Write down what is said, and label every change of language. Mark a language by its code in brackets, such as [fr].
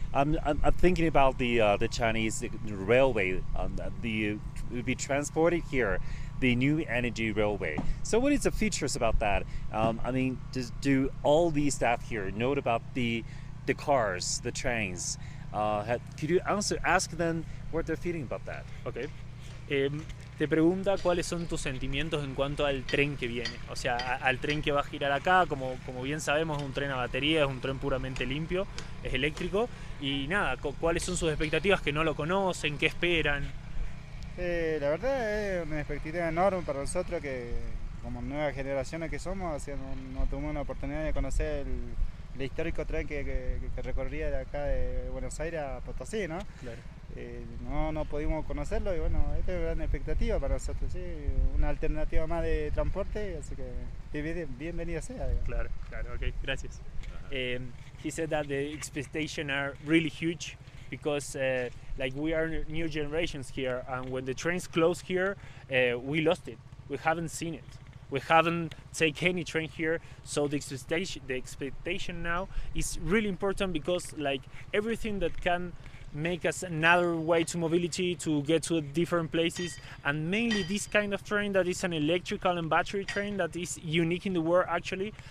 [en] I'm thinking about the Chinese railway will be transported here, the new energy railway. So what is the features about that? I mean, do all the staff here know about the cars, the trains? Could you ask them what they're feeling about that? Okay. [es] Te pregunta cuáles son tus sentimientos en cuanto al tren que viene. O sea, al tren que va a girar acá, como bien sabemos, es un tren a batería, es un tren puramente limpio, es eléctrico. Y nada, ¿cuáles son sus expectativas? ¿Que no lo conocen? ¿Qué esperan? La verdad es una expectativa enorme para nosotros, que como nuevas generaciones que somos, así no tuvimos la oportunidad de conocer el histórico tren que recorría de acá de Buenos Aires a Potosí, ¿no? Claro. No pudimos conocerlo y bueno, esta es una gran expectativa para nosotros, ¿sí? Una alternativa más de transporte, así que bienvenido sea. Digamos. Claro, claro, okay, gracias. Uh-huh. [en] He said that the expectations are really huge because like we are new generations here, and when the trains close here, we lost it. We haven't seen it. We haven't taken any train here. So the expectation now is really important, because like everything that can make us another way to mobility, to get to different places, and mainly this kind of train that is an electrical and battery train that is unique in the world actually.